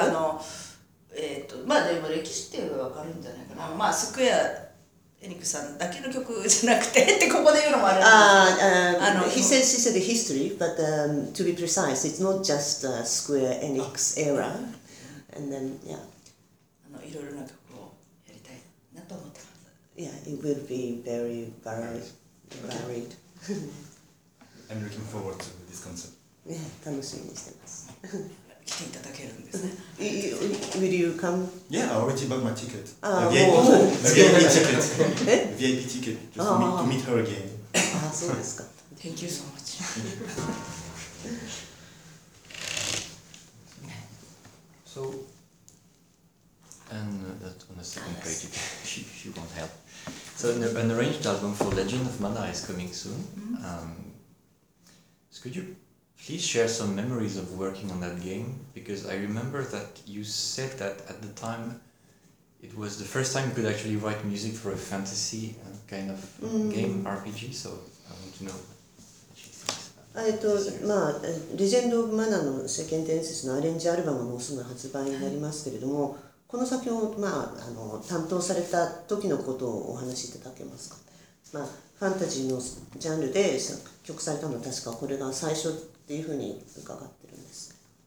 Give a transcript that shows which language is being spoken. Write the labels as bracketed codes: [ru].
[ja] あのまあでも歴史っていうのが分かるんじゃないかな。まあスクエアエニックさんだけの曲じゃなくてってここで言うのもあるんですけど、 [en] He says she said history, but to be precise, it's not just Square Enix era. And then, yeah. [ja] あのいろいろな曲をやりたいなと思ってます。 [en] Yeah, it will be very varied. I'm looking forward to this concert. [ja] Yeah, 楽しみにしてます。来ていただけるんですね。 [en] Will you come? Yeah, I already bought my ticket. VIP ticket. VIP ticket. Just to meet her again. [ja] Ah, そうですか。 [en] Thank you so much. So, and that on the second page, she won't help. So, an arranged album for Legend of Mana is coming soon. So could you please share some memories of working on that game, because I remember that you said that at the time it was the first time you could actually write music for a fantasy kind of game RPG, so I want to know what she thinks about it. [ja] まあ、Legend of Mana の世間伝説のアレンジアルバムもすぐ発売になりますけれども、この作品を、まあ、あの担当された時のことをお話しいただけますか。まあ、ファンタジーのジャンルで作曲されたのは確かこれが最初っていうふうに伺ってるんです。